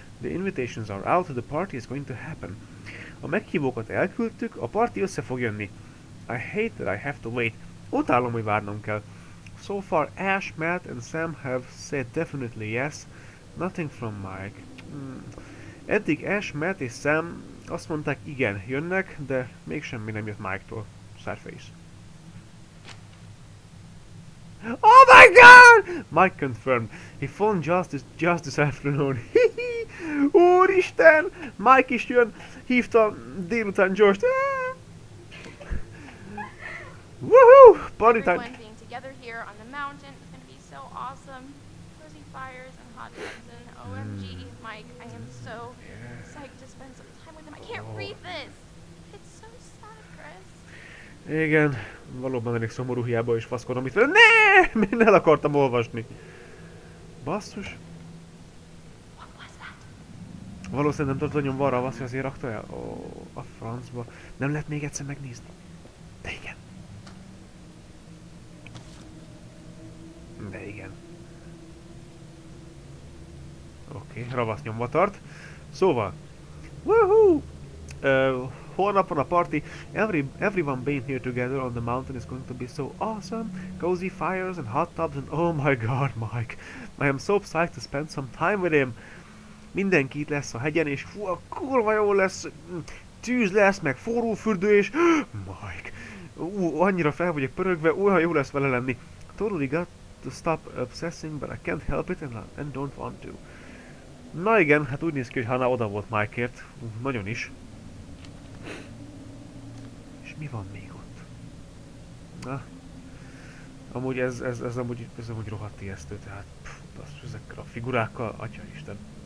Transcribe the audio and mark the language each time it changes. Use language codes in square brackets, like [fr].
[en] The invitations are out, the party is going to happen. [hu] A meghívókat elküldtük, a party össze fog jönni. [en] I hate that I have to wait. [hu] Utálom, hogy várnom kell. [en] So far Ash, Matt and Sam have said definitely yes. Nothing from Mike. [hu] Eddig Ash, Matt és Sam azt mondták igen, jönnek, de még semmi nem jött Mike-tól. [en] Surface. Oh my god! Mike confirmed. He phoned just this afternoon. [hu] Úristen! Mike is jön! Hívta délután Josh-t. [en] Woohoo! Party time! Everyone being together here on the mountain is gonna be so awesome. Cozy fires and hot tubs and OMG, Mike. I am so psyched to spend some time with him. I can't breathe this! It's so sad, Chris. [hu] Igen. Valóban elég szomorú, hiába is faszkodom itt. Ne! Én el akartam olvasni. Basszus. Valószínűleg nem tudod, hogy nyomva a ravasz, hogy azért rakta el. A francba. Nem lehet még egyszer megnézni. De igen. De igen. Oké, ravasz nyomva tart. Szóval. Woohoo! Holnap van a party. [en] Everyone being here together on the mountain is going to be so awesome. Cozy fires and hot tubs and oh my god, Mike. I am so psyched to spend some time with him. [hu] Mindenki itt lesz a hegyen, és fú, a kurva jó lesz. Tűz lesz, meg forró fürdő, és Mike. Annyira fel vagyok pörögve, olyan jó lesz vele lenni. [en] Totally got to stop obsessing, but I can't help it and don't want to. [hu] Na igen, hát úgy néz ki, hogy Hannah oda volt Mike-ért. Nagyon is. mi van még ott? Na. Amúgy ez amúgy rohadt ijesztő, tehát ezekkel a figurákkal, atyaisten.